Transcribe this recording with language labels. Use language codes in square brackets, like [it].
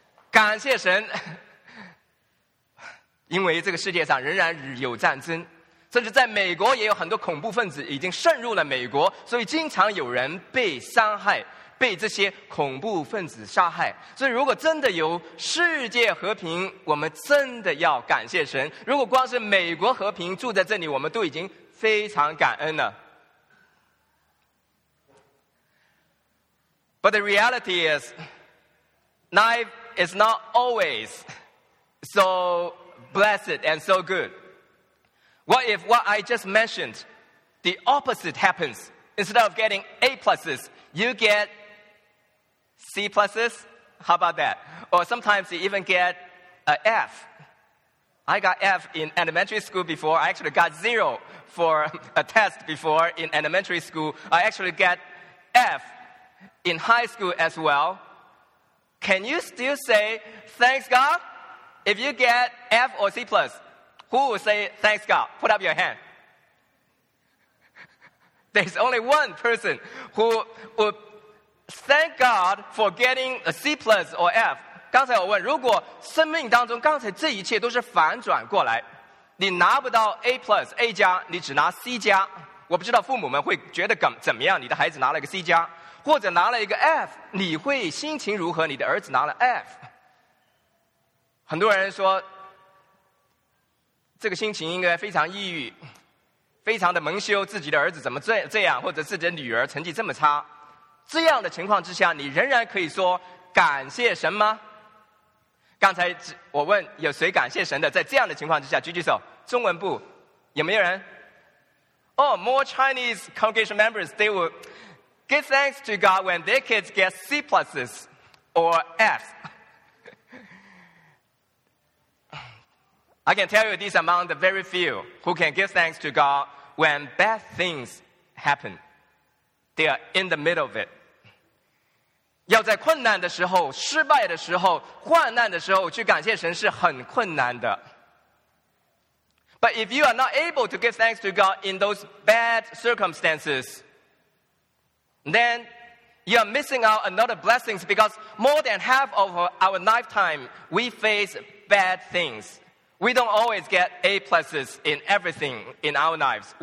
[zh] 感谢神，因为这个世界上仍然有战争，甚至在美国也有很多恐怖分子已经渗入了美国，所以经常有人被伤害，被这些恐怖分子杀害。所以如果真的有世界和平，我们真的要感谢神。如果光是美国和平住在这里，我们都已经非常感恩了。 [en] But the reality is life is not always so blessed and so good. What if what I just mentioned, the opposite happens? Instead of getting A pluses, you get C pluses? How about that? Or sometimes you even get an F. I got F in elementary school before. I actually got 0 for a test before in elementary school. I actually get F in high school as well. Can you still say thanks God? If you get F or C plus, who will say thanks God? Put up your hand. There's only one person who would thank God for getting a C plus or F. [zh] 刚才我问，如果生命当中刚才这一切都是反转过来，你拿不到 A plus, A 加，你只拿 C 加，我不知道父母们会觉得怎么样，你的孩子拿了一个 C 加，或者拿了一个 F, 你会心情如何？你的儿子拿了 F。很多人说这个心情应该非常抑郁，非常的蒙羞，自己的儿子怎么这样，或者自己的女儿成绩这么差。这样的情况之下，你仍然可以说感谢神吗？刚才我问有谁感谢神的，在这样的情况之下举举手。中文部有没有人？ [en] Oh, more Chinese congregation members, they will give thanks to God when their kids get C pluses or F. I can tell you this among the very few who can give thanks to God when bad things happen. They are in the middle of it. [zh] 要在困难的时候、失败的时候、患难的时候去感谢神是很困难的。 [en] But if you are not able to give thanks to God in those bad circumstances, then you are missing out another blessings because more than half of our lifetime, we face bad things. We don't always get A pluses in everything in our lives.